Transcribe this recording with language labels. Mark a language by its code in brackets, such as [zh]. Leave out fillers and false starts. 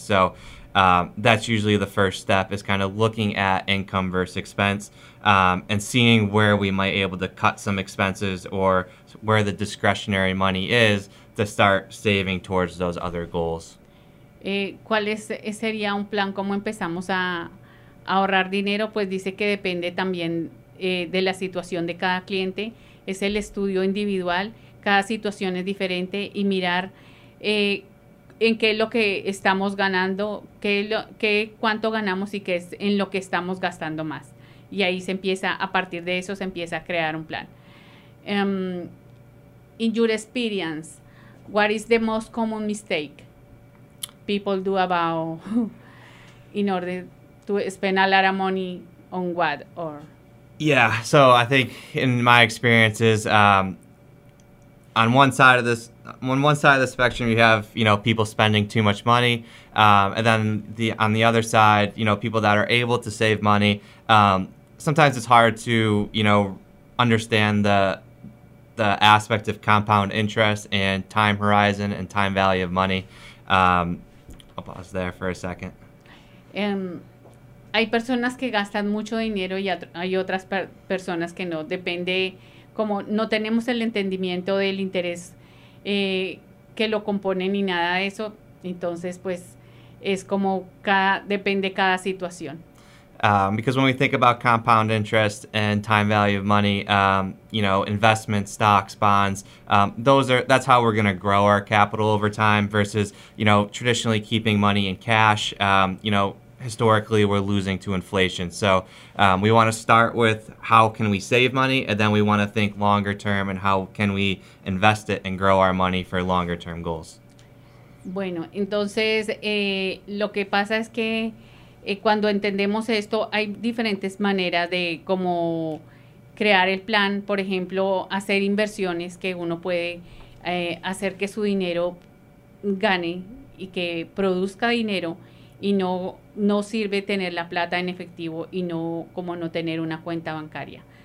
[en] So that's usually the first step, is kind of looking at income versus expense, and seeing where we might be able to cut some expenses or where the discretionary money is to start saving towards those other goals. [es] ¿Cuál sería un plan? ¿Cómo empezamos a ahorrar dinero? Pues dice que depende también de la situación de cada cliente. Es el estudio individual. Cada situación es diferente, y mirar en qué es lo que estamos ganando, cuánto ganamos y qué es en lo que estamos gastando más. Y ahí se empieza, a partir de eso, se empieza a crear un plan. [en] In your experience, what is the most common mistake people do about in order to spend a lot of money on what? Or yeah, so I think in my experiences, on one side of the spectrum, you have, you know, people spending too much money, and then on the other side, you know, people that are able to save money. Sometimes it's hard to, you know, understand the aspect of compound interest and time horizon and time value of money. I'll pause there for a second. [es] Hay personas que gastan mucho dinero y hay otras personas que no. Depende, como no tenemos el entendimiento del interés que lo compone ni nada de eso. Entonces, pues, es como depende cada situación. [en] Because when we think about compound interest and time value of money, you know, investments, stocks, bonds, that's how we're going to grow our capital over time versus, you know, traditionally keeping money in cash. You know, historically we're losing to inflation. So we want to start with how can we save money, and then we want to think longer term and how can we invest it and grow our money for longer term goals. [es] Bueno, entonces lo que pasa es que cuando entendemos esto, hay diferentes maneras de cómo crear el plan. Por ejemplo, hacer inversiones que uno puede hacer que su dinero gane y que produzca dinero, y no sirve tener la plata en efectivo y no como no tener una cuenta bancaria.